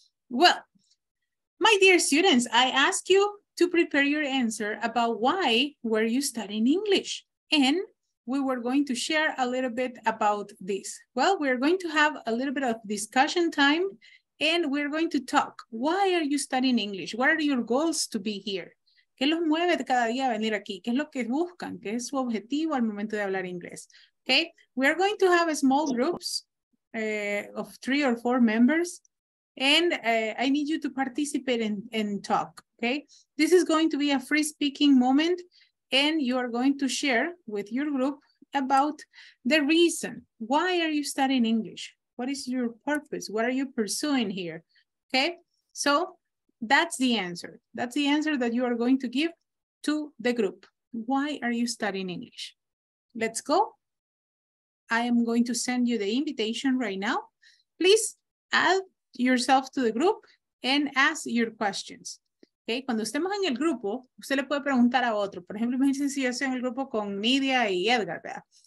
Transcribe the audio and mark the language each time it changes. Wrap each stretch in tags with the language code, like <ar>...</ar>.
<en>Well, my dear students, I ask you to prepare your answer about why were you studying English, and we were going to share a little bit about this. Well, we're going to have a little bit of discussion time, and we're going to talk. Why are you studying English? What are your goals to be here?</en> <es>¿Qué los mueve cada día a venir aquí? ¿Qué es lo que buscan? ¿Qué es su objetivo al momento de hablar inglés?</es> <en>Okay, we are going to have a small groups of 3 or 4 members, and I need you to participate and talk, okay? This is going to be a free speaking moment, and you are going to share with your group about the reason. Why are you studying English? What is your purpose? What are you pursuing here? Okay, so that's the answer. That's the answer that you are going to give to the group. Why are you studying English? Let's go. I am going to send you the invitation right now. Please add yourself to the group and ask your questions.</en> <es>Okay, cuando estemos en el grupo, usted le puede preguntar a otro. Por ejemplo, imagínense si yo estoy en el grupo con Nidia y Edgar, ¿verdad?</es>